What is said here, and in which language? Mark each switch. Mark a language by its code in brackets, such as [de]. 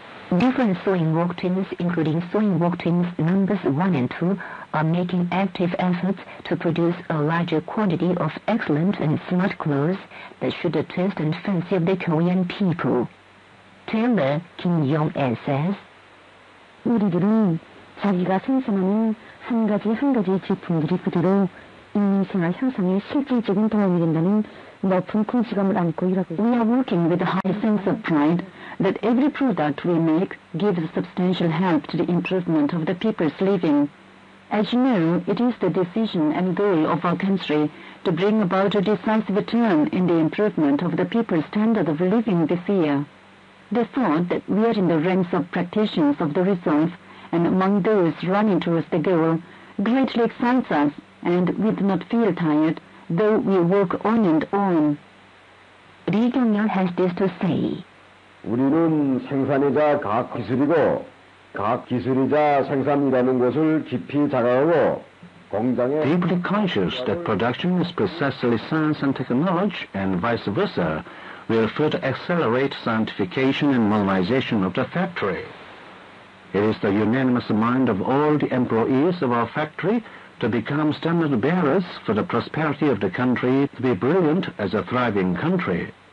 [en] Different sewing work teams, including sewing work teams numbers 1 and 2, are making active efforts to produce a larger quantity of excellent and smart clothes that suit the taste and fancy of the Korean people. Tailor Kim Yong-el says, [ko] 우리들은 자기가 생산하는 한 가지 한 가지 제품들이 그대로 인민생활 향상에 실질적인 도움이 된다는 높은 콘시감을 안고 일하고 있습니다. [en] We are working with a high sense of pride that every product we make gives substantial help to the improvement of the people's living. As you know, it is the decision and goal of our country to bring about a decisive turn in the improvement of the people's standard of living this year. The thought that we are in the ranks of practitioners of the resolve and among those running towards the goal greatly excites us, and we do not feel tired, though we work on and on. Lee Kyung-il has this to say. [ko] 우리는 생산이자 과학기술이고 과학기술이자 생산이라는 것을 깊이 자각하고 공장에 [en] deeply conscious that production is precisely science and technology and vice versa, will further accelerate scientification and modernization of the factory. It is the unanimous mind of all the employees of our factory to become standard bearers for the prosperity of the country, to be brilliant as a thriving country.